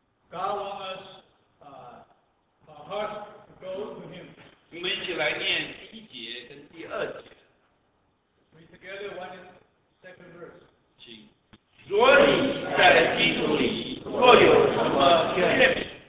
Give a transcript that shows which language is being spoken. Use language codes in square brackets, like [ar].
[en] God wants us, our heart to go to Him. [zh] 我们一起来念第一节跟第二节。 [en] We together one and second verse. [zh] 请。若你在基督里，若有什么劝勉。